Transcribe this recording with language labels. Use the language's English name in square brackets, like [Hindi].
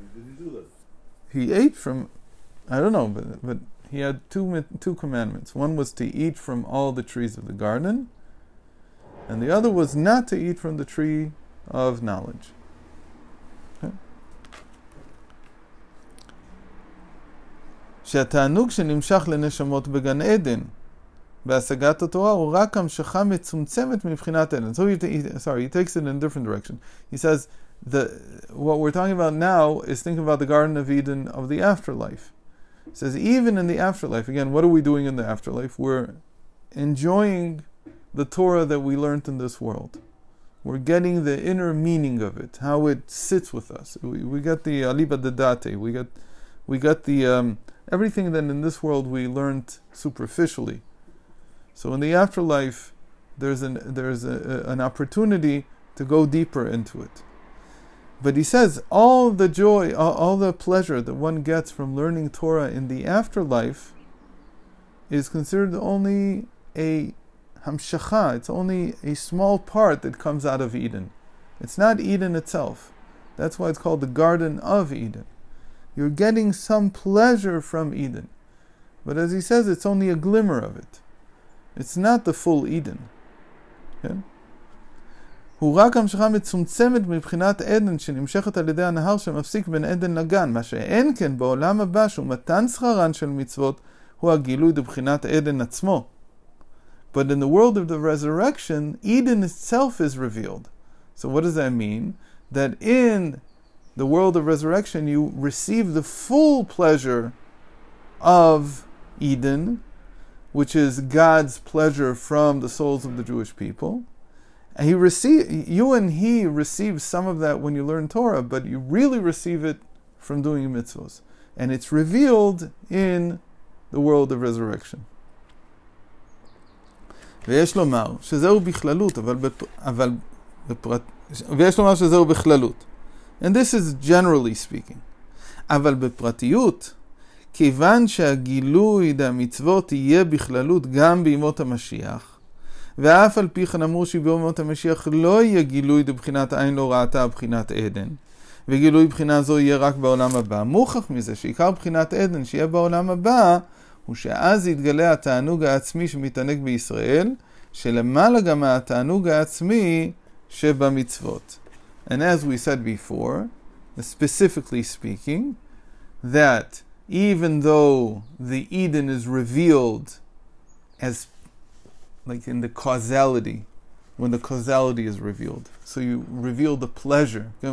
[English] Did he do that? He ate from, I don't know, but he had two commandments. One was to eat from all the trees of the garden, and the other was not to eat from the tree of knowledge. [Hebrew] שהתענוג שנמשך לנשמות בגן עדן, בהשגת התורה הוא רק המשכה מצומצמת מבחינת עדן. [English] So he takes it in a different direction. He says, what we're talking about now is thinking about the Garden of Eden of the afterlife. He says, even in the afterlife, again, what are we doing in the afterlife? We're enjoying the Torah that we learned in this world. We're getting the inner meaning of it, how it sits with us. We got the Aliba Dadate, we got the everything that in this world we learned superficially. So in the afterlife, there's an opportunity to go deeper into it. But he says, all the joy, all the pleasure that one gets from learning Torah in the afterlife is considered only a hamshacha, it's only a small part that comes out of Eden. It's not Eden itself. That's why it's called the Garden of Eden. You're getting some pleasure from Eden. But as he says, it's only a glimmer of it. It's not the full Eden. [Hebrew] הוא רק המשכה מצומצמת מבחינת עדן שנמשכת על ידי הנהר שמפסיק בין עדן לגן. מה שאין כן בעולם הבא שהוא מתן שכרן של מצוות הוא הגילוי לבחינת עדן עצמו. [English] But in the world of the resurrection, Eden itself is revealed. So what does that mean? That in the world of resurrection, you receive the full pleasure of Eden, which is God's pleasure from the souls of the Jewish people. You and he receive some of that when you learn Torah, but you really receive it from doing mitzvos. And it's revealed in the world of resurrection. And this is generally speaking. [Hebrew] אבל בפרטיות, כיוון שהגילוי המצוות יהיה בכללות גם בימות המשיח, ואף על פי כן אמרו שבימות המשיח לא יהיה גילוי בבחינת עין לא ראתה בבחינת עדן, וגילוי בחינה זו יהיה רק בעולם הבא. מוכח מזה שעיקר בחינת עדן שיהיה בעולם הבא, הוא שאז יתגלה התענוג העצמי שמתענג בישראל, שלמעלה גם התענוג העצמי שבמצוות. [English] And as we said before, specifically speaking, that even though the Eden is revealed as like in the causality, when the causality is revealed, so you reveal the pleasure.